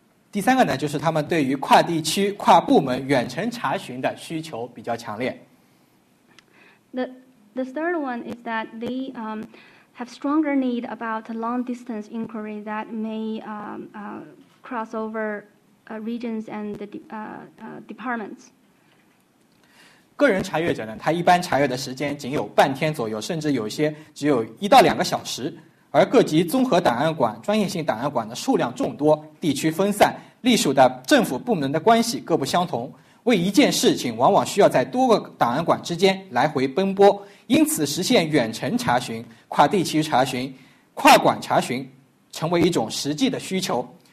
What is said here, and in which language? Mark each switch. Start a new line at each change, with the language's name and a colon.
Chinese: 第三个呢，就是他们对于跨地区、跨部门远程查询的需求比较强烈。
English: The third one is that they have stronger need about long distance inquiry that may cross over regions and the departments.
Chinese: 个人查阅者呢，他一般查阅的时间仅有半天左右，甚至有些只有一到两个小时。而各级综合档案馆、专业性档案馆的数量众多，地区分散，隶属的政府部门的关系各不相同，为一件事情往往需要在多个档案馆之间来回奔波，因此实现远程查询、跨地区查询、跨馆查询成为一种实际的需求。